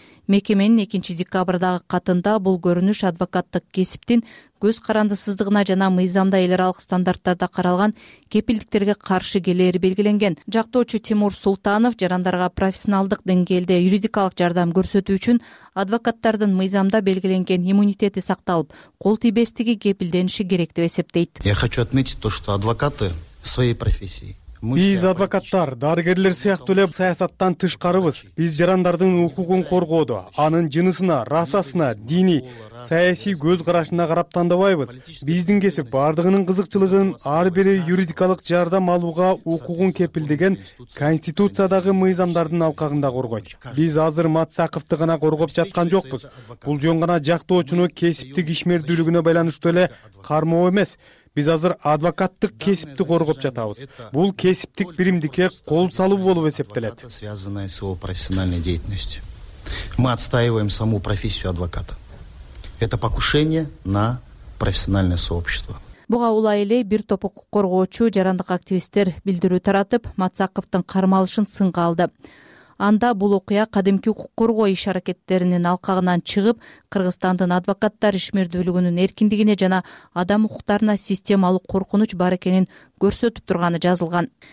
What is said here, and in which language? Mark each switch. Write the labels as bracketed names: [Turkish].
[Kyrgyz] Мекеменин 2 декабрдагы катында бул көрүнүш адвокаттык кесиптин көз карандысыздыгына жана мыйзамда эл аралык стандарттарда каралган кепилдиктерге каршы келери белгиленген. Жактоочу Тимур Султанов жарандарга профессионалдык деңгээлде юридикалык жардам көрсөтүү үчүн адвокаттардын мыйзамда белгиленген иммунитети сакталып, кол тийбестиги кепилдениши керек деп эсептейт. [Russian] Я хочу отметить то, что адвокаты своей профессии. [Kyrgyz] Биз адвокаттар, дарыгерлер сыяктуу эле саясаттан тышкарыбыз. Биз жарандардын укугун коргоодо, анын жынысына, расасына, дини, саясий көз карашына карап тандабайбыз. Биздин кесип бардыгынын кызыкчылыгын ар бири юридикалык жардам алууга укугун кепилдеген конституциядагы мыйзамдардын алкагында коргойт. Биз азыр Матсаковду гана коргоп жаткан жокпуз. Бул жөн гана жактоочуну кесиптик ишмердүүлүгүнө байланыштуу эле кармоо эмес. Биз азыр адвокаттык кесипти коргоп жатабыз. Бул кесиптик биримдикке кол салуу болуп эсептелет. [Russian] Связанная с его профессиональной деятельностью. Мы отстаиваем саму профессию адвоката. Это покушение на профессиональное сообщество. [Kyrgyz] Буга улай эле бир топ укук коргоочу жарандык активисттер билдирүү таратып, Матсаковдун кармалышын сынга алды. Анда бул окуя кадимки укук коргоо иш аракеттеринин алкагынан чыгып, Кыргызстандын адвокаттар ишмердүүлүгүнүн эркиндигине жана адам укуктарына системалык коркунуч бар экенин көрсөтүп турганы жазылган.